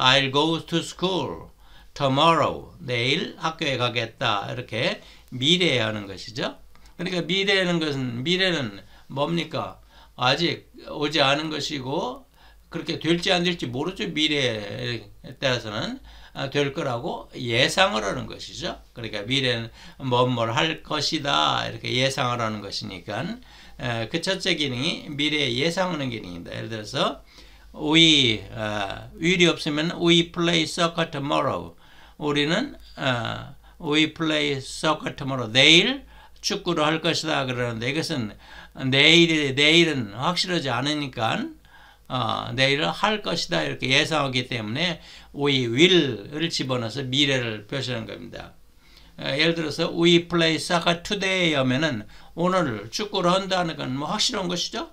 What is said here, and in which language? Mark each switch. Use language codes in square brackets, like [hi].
[en] I'll go to school tomorrow. [ko] 내일 학교에 가겠다. 이렇게 미래에 하는 것이죠. 그러니까 미래는 뭡니까? 아직 오지 않은 것이고, 그렇게 될지 안 될지 모르죠. 미래에 따라서는 될 거라고 예상을 하는 것이죠. 그러니까 미래는 뭘할 것이다. 이렇게 예상을 하는 것이니까. 그 첫째 기능이 미래에 예상하는 기능입니다. 예를 들어서, [en] we, will이 없으면, we play soccer tomorrow. [ko] 우리는, [en] we play soccer tomorrow. [ko] 내일 축구를 할 것이다. 그러는데 이것은 내일은 확실하지 않으니까, 내일을 할 것이다. 이렇게 예상하기 때문에, we will을 집어넣어서 미래를 표시하는 겁니다. 예를 들어서 [en] we play soccer today [ko] 하면은 오늘 축구를 한다는 건뭐 확실한 것이죠.